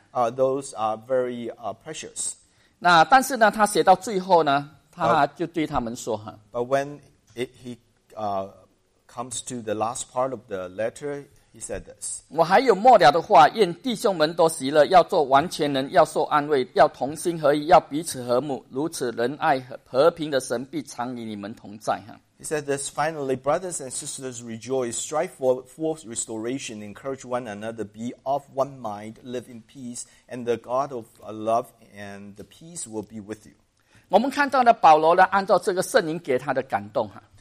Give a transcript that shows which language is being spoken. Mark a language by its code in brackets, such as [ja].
[en] Those are very precious. [zh] 那但是呢，他写到最后呢，他就对他们说哈。 [en] But when he comes to the last part of the letter. He said this. [zh] 我还有末了的话，愿弟兄们都喜乐，要做完全人，要受安慰，要同心合一，要彼此和睦。如此仁爱和平的神必常与你们同在。 [en] He said this. Finally, brothers and sisters, rejoice, strive for full restoration, encourage one another, be of one mind, live in peace, and the God of love and the peace will be with you. [zh] 我们看到的保罗呢，按照这个圣灵给他的感动哈。